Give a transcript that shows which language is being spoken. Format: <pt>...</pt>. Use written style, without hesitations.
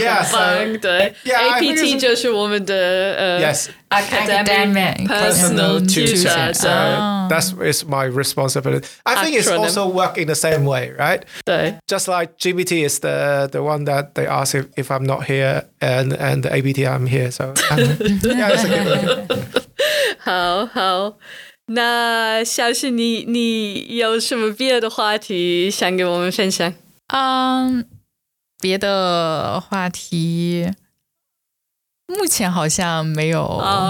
<zh>Chat APT 啊，很棒，对 ，APT 就是我们的</zh> <en>Yes, academic personal tutor. So that is my responsibility. I think it's also work in the same way, right?</en> <zh>对</zh> <en>，just like GPT is the one that they ask if I'm not here, and the APT I'm here. So yeah, it's a good one.</en> <zh>好好，那小旭，你有什么别的话题想给我们分享？别的话题目前好像没有、啊、</zh>